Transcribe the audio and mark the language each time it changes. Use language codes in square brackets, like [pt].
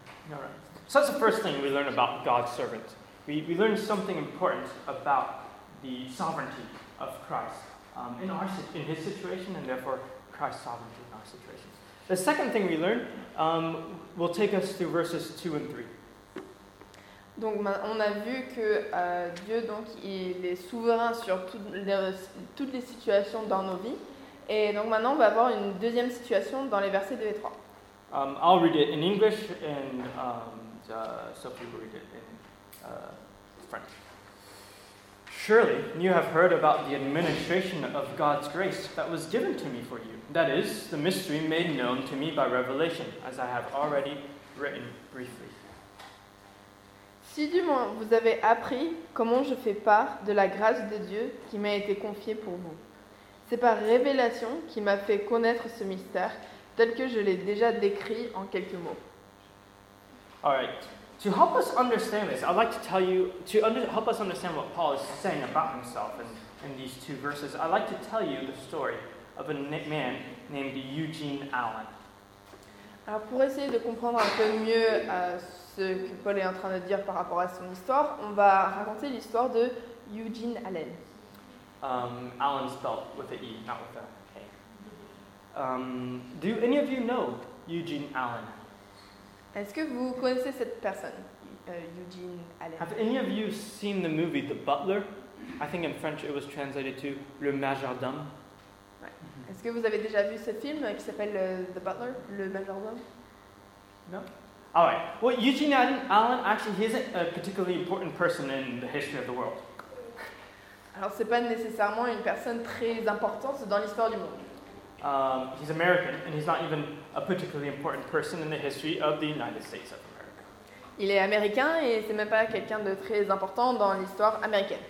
[en] All right. So that's the first thing we learn about God's servant. We learn something important about the sovereignty of Christ in his situation, and therefore Christ's sovereignty in our situation. The second thing we learn will take us to verses 2 and 3. [fr] Donc on a vu que Dieu donc il est souverain sur toutes les situations dans nos vies. Et donc maintenant, on va avoir une deuxième situation dans les versets 2 et 3. [en] I'll read it in English and Sophie will read it in French. Surely, you have heard about the administration of God's grace that was given to me for you. That is, the mystery made known to me by revelation, as I have already written briefly. [fr] Si du moins vous avez appris comment je fais part de la grâce de Dieu qui m'a été confiée pour vous. C'est par révélation qui m'a fait connaître ce mystère, tel que je l'ai déjà décrit en quelques mots. [en] All right. To help us understand this, I'd like to tell you to help us understand what Paul is saying about himself in these two verses. I'd like to tell you the story of a man named Eugene Allen. [fr] Alors pour essayer de comprendre un peu mieux ce que Paul est en train de dire par rapport à son histoire, on va raconter l'histoire de Eugene Allen. [en] Allen spelled with an E, not with an A. Do any of you know Eugene Allen? [fr] Est-ce que vous connaissez cette personne, Eugene Allen? [en] Have any of you seen the movie The Butler? I think in French it was translated to Le Majordome. [fr] Ouais. Est-ce que vous avez déjà vu ce film qui s'appelle The Butler, Le Majordome? [en] No. All right. Well, Eugene Allen, actually, he isn't a particularly important person in the history of the world. [fr] Alors, c'est pas nécessairement une personne très importante dans l'histoire du monde. [en] He's American, and he's not even a particularly important person in the history of the United States of America. [fr] Il est américain, et c'est même pas quelqu'un de très important dans l'histoire américaine.